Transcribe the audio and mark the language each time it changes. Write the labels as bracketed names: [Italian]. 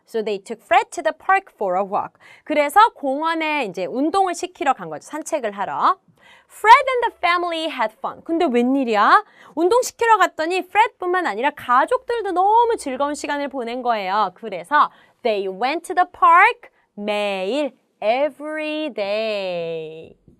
[English] So they took Fred to the park for a walk. [Korean] 그래서 공원에 이제 운동을 시키러 간 거죠. 산책을 하러. [English] Fred and the family had fun. [Korean] 근데 웬일이야? 운동시키러 갔더니 Fred뿐만 아니라 가족들도 너무 즐거운 시간을 보낸 거예요. 그래서 [English] they went to the park [Korean] 매일, [English] every day.